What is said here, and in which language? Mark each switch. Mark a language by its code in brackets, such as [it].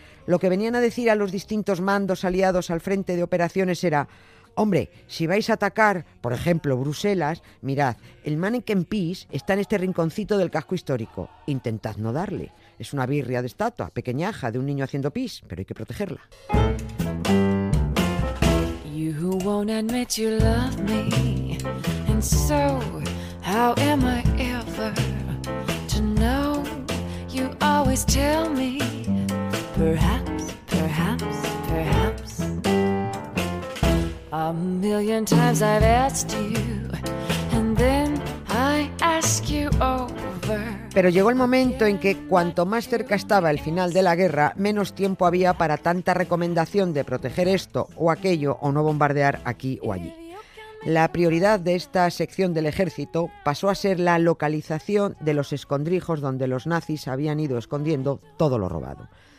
[es] Lo que venían a decir a los distintos mandos aliados al frente de operaciones era: hombre, si vais a atacar, por ejemplo, Bruselas, mirad, el Manneken Pis está en este rinconcito del casco histórico, intentad no darle. Es una birria de estatua, pequeñaja, de un niño haciendo pis, pero hay que protegerla. [en] You who won't admit you love me, and so how am I ever to know? You always tell me, perhaps, perhaps, perhaps. A million times I've asked you, and then I ask you over. [es] Pero llegó el momento en que cuanto más cerca estaba el final de la guerra, menos tiempo había para tanta recomendación de proteger esto o aquello o no bombardear aquí o allí. La prioridad de esta sección del ejército pasó a ser la localización de los escondrijos donde los nazis habían ido escondiendo todo lo robado.